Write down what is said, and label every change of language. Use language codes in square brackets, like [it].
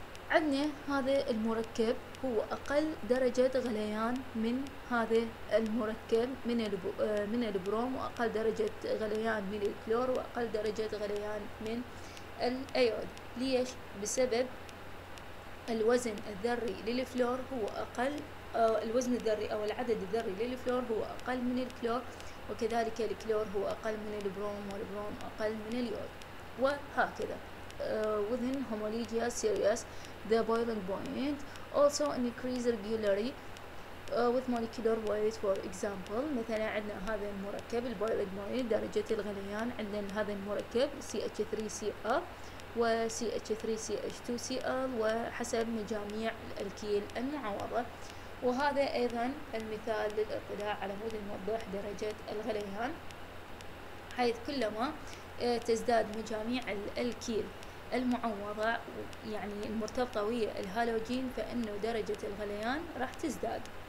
[ar] عندنا هذا المركب هو أقل درجة غليان من هذا المركب من البروم، وأقل درجة غليان من الكلور، وأقل درجة غليان من الأيود. ليش؟ بسبب الوزن الذري للفلور هو أقل، الوزن الذري أو العدد الذري للفلور هو أقل من الكلور، وكذلك الكلور هو أقل من البروم، والبروم أقل من اليود، وهكذا. [en] Within homologia series, the boiling point also increase regularly with molecular weight. For example, [ar] مثلا عندنا هذا المركب boiling point، درجة الغليان عندنا هذا المركب CH3Cl و CH3CH2Cl وحسب مجاميع الألكيل المعوضة. وهذا أيضا المثال للإطلاع على مود نوضح درجة الغليان، حيث كلما تزداد مجاميع الألكيل المعوضة يعني المرتبطة ويا الهالوجين فإنه درجة الغليان راح تزداد.